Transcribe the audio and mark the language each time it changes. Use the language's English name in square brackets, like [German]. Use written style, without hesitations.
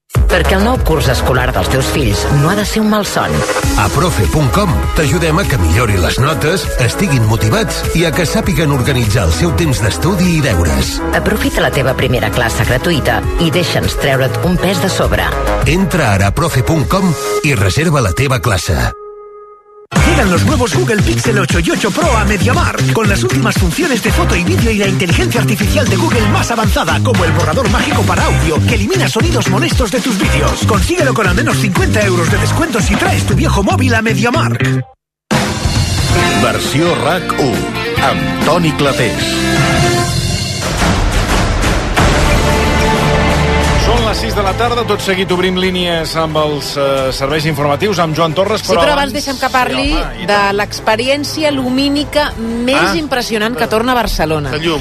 [Catalan] perquè el nou curs escolar dels teus fills no ha de ser un malson. A profe.com t'ajudem a que millori les notes, estiguin motivats i a que sàpiguen organitzar el seu temps d'estudi i deures. Aprofita la teva primera classe gratuïta i deixa'ns treure't un pes de sobre. Entra ara a profe.com i reserva la teva classe. [Spanish] Llegan los nuevos Google Pixel 8 y 8 Pro a MediaMarkt, con las últimas funciones de foto y vídeo y la inteligencia artificial de Google más avanzada, como el borrador mágico para audio, que elimina sonidos molestos de tus vídeos. Consíguelo con al menos 50 euros de descuento si traes tu viejo móvil a MediaMarkt. [Catalan] Versió RAC 1, amb Toni Clapés. Són les 6 de la tarda, tot seguit obrim línies amb els serveis informatius, amb Joan Torres. Però sí, però abans deixem que parli de l'experiència lumínica més impressionant que torna a Barcelona.